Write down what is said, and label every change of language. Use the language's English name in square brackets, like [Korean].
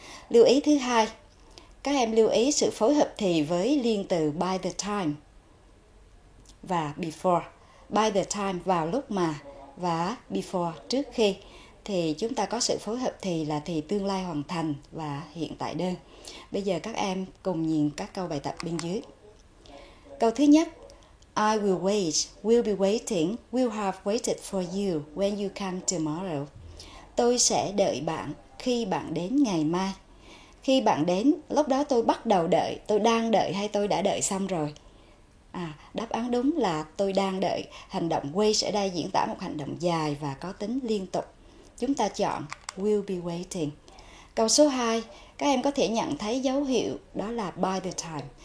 [Vietnamese] Lưu ý thứ hai, các em lưu ý sự phối hợp thì với liên từ by the time và before. By the time vào lúc mà và before trước khi. Thì chúng ta có sự phối hợp thì là thì tương lai hoàn thành và hiện tại đơn. Bây giờ các em cùng nhìn các câu bài tập bên dưới. Câu thứ nhất, [English] I will wait, will be waiting, will have waited for you when you come tomorrow. [Vietnamese] Tôi sẽ đợi bạn khi bạn đến ngày mai. Khi bạn đến, lúc đó tôi bắt đầu đợi, tôi đang đợi hay tôi đã đợi xong rồi? Đáp án đúng là tôi đang đợi. Hành động wait ở đây diễn tả một hành động dài và có tính liên tục. Chúng ta chọn [English] will be waiting. [Vietnamese] Câu số 2, các em có thể nhận thấy dấu hiệu đó là by the time.